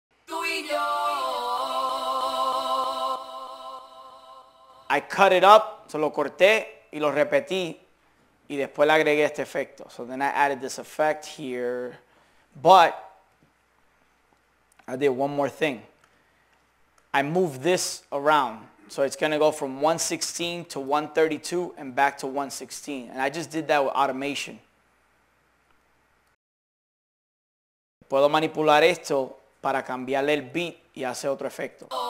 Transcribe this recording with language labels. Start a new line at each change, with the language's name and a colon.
English: I cut it up, so
Spanish: lo corté y lo repetí, y después le agregué este efecto.
English: So then I added this effect here, but I did one more thing. I moved this around. So it's gonna go from 116 to 132 and back to 116. And I just did that with automation.
Spanish: Puedo manipular esto para cambiarle el beat y hacer otro efecto.